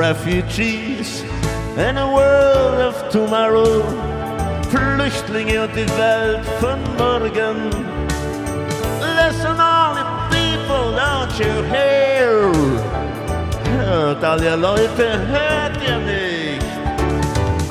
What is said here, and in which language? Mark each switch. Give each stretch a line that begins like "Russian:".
English: Refugees in a world of tomorrow.
German: Flüchtlinge und die Welt von morgen.
English: Listen, all the people, don't you hear?
German: Hört alle Leute, hört ihr nicht?